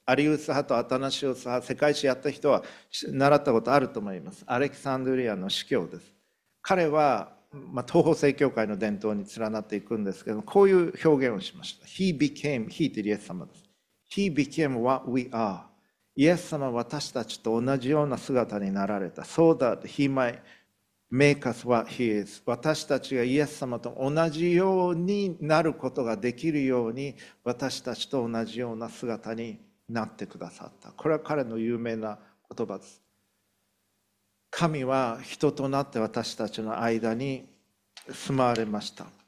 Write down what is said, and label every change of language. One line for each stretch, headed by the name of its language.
Japanese: アリウス派とアタナシオス派、世界史やった人は習ったことあると思います。アレキサンドリアの司教です。彼は東方正教会の伝統に連なっていくんですけど、こういう表現をしました。
English: He became、 He
Japanese: ってイエス様です。
English: He became what we are。
Japanese: イエス様は私たちと同じような姿になられた。
English: So that he might make us what he is。
Japanese: 私たちがイエス様と同じようになることができるように、私たちと同じような姿になってくださった。これは彼の有名な言葉です。神は人となって私たちの間に住まわれました。